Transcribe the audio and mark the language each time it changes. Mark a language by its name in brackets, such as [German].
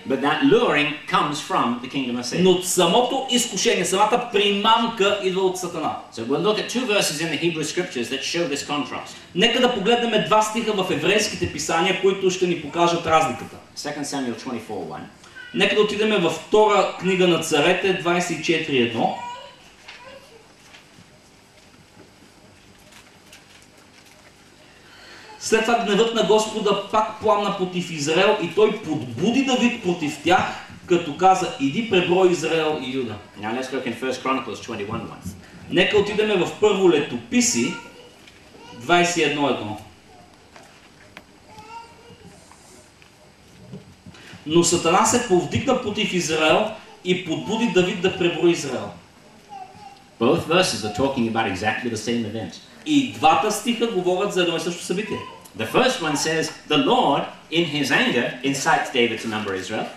[English] but that luring comes from the kingdom of Satan. [Bulgarian] Но самото изкушение, самата примамка идва от Сатана. [English] So we'll look at two verses in the Hebrew scriptures that show this contrast. [Bulgarian] Нека да погледнем два стиха в еврейските писания, които ще ни покажат разликата. [English] 2 Samuel 24:1. [Bulgarian] Нека да отидем във втора книга на царете 24:1. След това гневът на Господа пак пламна против Израел и той подбуди Давид против тях, като каза, иди преброй Израел и Юда. [English] Now let's look in 1 Chronicles 21:1. [Bulgarian] Нека отидем в първо летописи 21:1. Но Сатана се повдигна против Израел и подбуди Давид да преброи Израел. [English] Both verses are talking about exactly the same event. [Bulgarian] И двата стиха говорят за едно и също събитие. [English] The first one says the Lord in his anger incites David to number Israel.